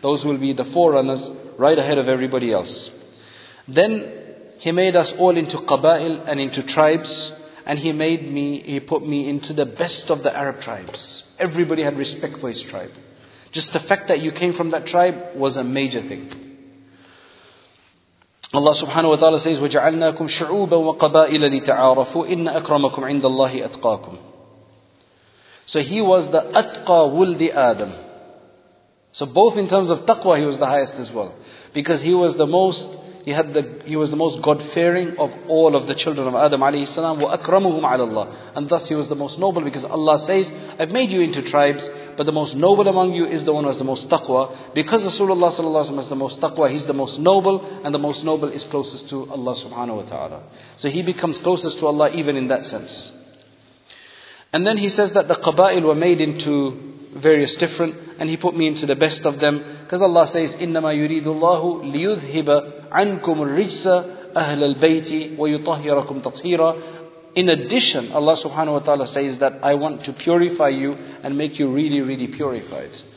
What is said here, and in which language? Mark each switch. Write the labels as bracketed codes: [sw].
[en] Those will be the forerunners, right ahead of everybody else. Then he made us all into Qabail and into tribes. And he put me into the best of the Arab tribes. Everybody had respect for his tribe. Just the fact that you came from that tribe was a major thing. Allah subhanahu wa ta'ala says, [ar] وَجَعَلْنَاكُمْ شُعُوبًا وَقَبَائِلَ لِتَعَارَفُوا إِنَّ أَكْرَمَكُمْ عِنْدَ اللَّهِ أَتْقَاكُمْ. [en] So he was the atqa wuldi Adam. So both in terms of taqwa, he was the highest as well. Because he was the most... He was the most God-fearing of all of the children of Adam alayhi salam, [ar] wa akramuhum ala Allah, [en] and thus he was the most noble, because Allah says, I've made you into tribes, But the most noble among you is the one who has the most taqwa. Because Rasulullah sallallahu alayhi wa sallam has the most taqwa, he's the most noble, and the most noble is closest to Allah subhanahu wa ta'ala. So he becomes closest to Allah even in that sense. And then he says that the qabail were made into various different, and he put me into the best of them. Because Allah says, [ar] إِنَّمَا يُرِيدُ اللَّهُ لِيُذْهِبَ عَنْكُمُ الرِّجْسَ أَهْلَ الْبَيْتِ وَيُطَهِّرَكُمْ تَطْهِيرًا. [en] In addition, Allah subhanahu wa ta'ala says that I want to purify you and make you really, really purified.